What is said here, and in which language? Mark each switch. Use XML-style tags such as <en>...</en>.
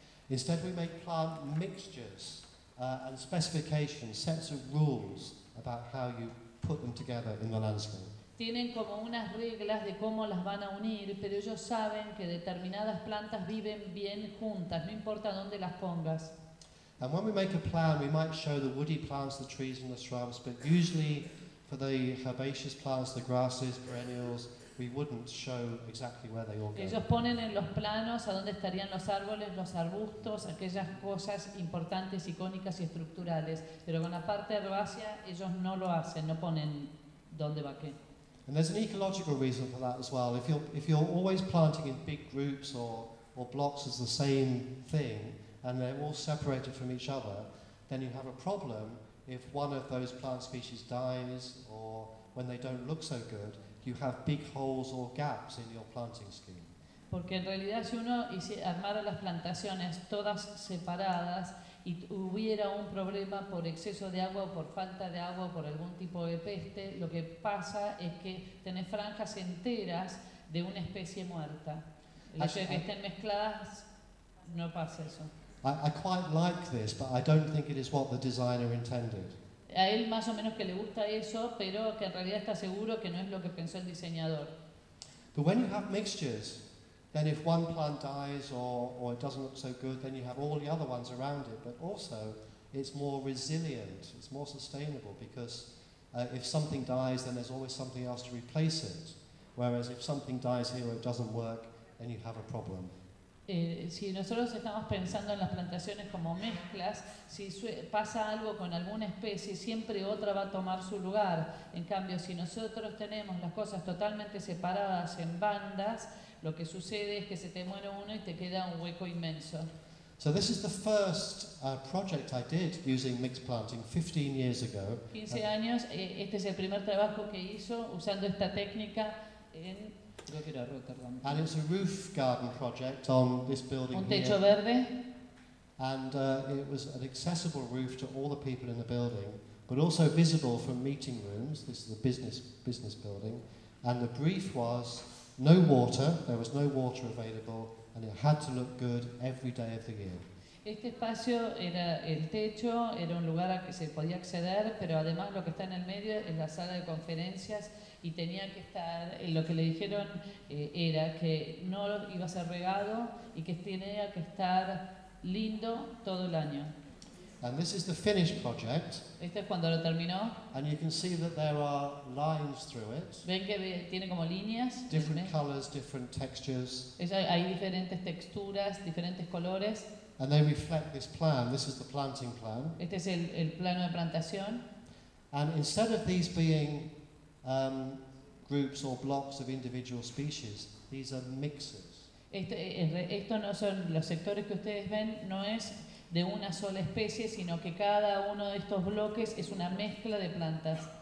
<en>Instead we make plant mixtures and specifications, sets of rules about how you put them together in the landscape.</en> <es>Tienen como unas reglas de cómo las van a unir, pero ellos saben que determinadas plantas viven bien juntas, no importa dónde las pongas.</es> <en>And when we make a plan, we might show the woody plants, the trees and the shrubs, but usually for the herbaceous plants, the grasses, perennials, we wouldn't show exactly where they all go.</en> <es>Ellos ponen en los planos a dónde estarían los árboles, los arbustos, aquellas cosas importantes, icónicas y estructurales. Pero con la parte herbácea, ellos no lo hacen, no ponen dónde va qué.</es> <en>And there's an ecological reason for that as well. If you're always planting in big groups or blocks as the same thing, and they're all separated from each other, then you have a problem if one of those plant species dies or when they don't look so good, you have big holes or gaps in your planting scheme.</en> <es>Porque en realidad si uno armara las plantaciones todas separadas y hubiera un problema por exceso de agua o por falta de agua o por algún tipo de peste, lo que pasa es que tenés franjas enteras de una especie muerta. Que estén mezcladas, no pasa eso.</es> <en>I quite like this, but I don't think it is what the designer intended.</en> <es>A él más o menos que le gusta eso, pero que en realidad está seguro que no es lo que pensó el diseñador.</es> <en>But when you have mixtures, then if one plant dies or it doesn't look so good, then you have all the other ones around it. But also, it's more resilient, it's more sustainable, because if something dies, then there's always something else to replace it. Whereas if something dies here or it doesn't work, then you have a problem.</en> <es>Si nosotros estamos pensando en las plantaciones como mezclas, si pasa algo con alguna especie, siempre otra va a tomar su lugar. En cambio, si nosotros tenemos las cosas totalmente separadas en bandas, lo que sucede es que se te muere uno y te queda un hueco inmenso.</es> <en>So this is the first project I did using mixed planting 15 years ago.</en> <es>15 años, este es el primer trabajo que hizo usando esta técnica en Rotterdam.</es> <en>And it's a roof garden project on this building</en> <es>here. Un techo</es> <en>here.</en> <es>Verde.</es> <en>And it was an accessible roof to all the people in the building, but also visible from meeting rooms. This is a business building. And the brief was, no water, there was no water available, and it had to look good every day of the year.</en> <es>Este espacio era el techo, era un lugar a que se podía acceder, pero además lo que está en el medio es la sala de conferencias, y tenía que estar, lo que le dijeron era que no iba a ser regado y que tenía que estar lindo todo el año.</es> <en>And this is the finished project.</en> <es>Este es cuando lo terminó.</es> <en>And you can see that there are lines through it.</en> <es>Ven que tiene como líneas.</es> <en>Different colors, different textures.</en> <es>Hay diferentes texturas, diferentes colores.</es> <en>And they reflect this plan. This is the planting plan.</en> <es>Este es el plano de plantación.</es> <en>And instead of these being groups or blocks of individual species, these are mixes.</en> <es>Esto no son los sectores que ustedes ven, no es de una sola especie, sino que cada uno de estos bloques es una mezcla de plantas.</es>